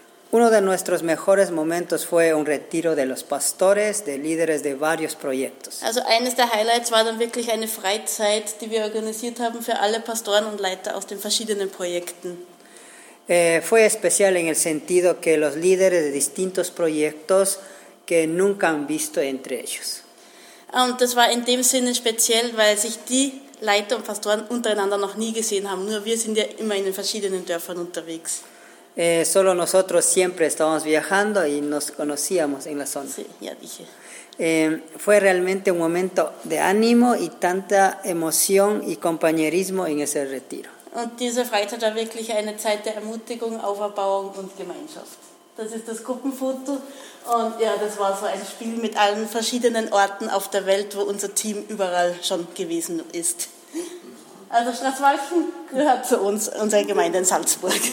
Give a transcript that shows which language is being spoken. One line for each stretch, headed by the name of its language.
Spanish: Uno de nuestros mejores momentos fue un retiro de los pastores, de líderes de varios proyectos.
German: Also eines der Highlights war dann wirklich eine Freizeit, die wir organisiert haben für alle Pastoren und Leiter aus den verschiedenen Projekten.
Spanish: Fue especial en el sentido que los líderes de distintos proyectos que nunca han visto entre ellos.
German: Und das war in dem Sinne speziell, weil sich die Leiter und Pastoren untereinander noch nie gesehen haben. Nur wir sind ja immer in den verschiedenen Dörfern unterwegs.
Spanish: Solo nosotros siempre estábamos viajando y nos conocíamos en la zona. Sí, ya dije. Fue realmente un momento de ánimo y tanta emoción y compañerismo en ese retiro.
German: Und diese Freizeit war wirklich eine Zeit der Ermutigung, Auferbauung und Gemeinschaft. Das ist das Gruppenfoto. Und ja, das war so ein Spiel mit allen verschiedenen Orten auf der Welt, wo unser Team überall schon gewesen ist. Also Straßwalchen gehört zu uns, unserer Gemeinde in Salzburg.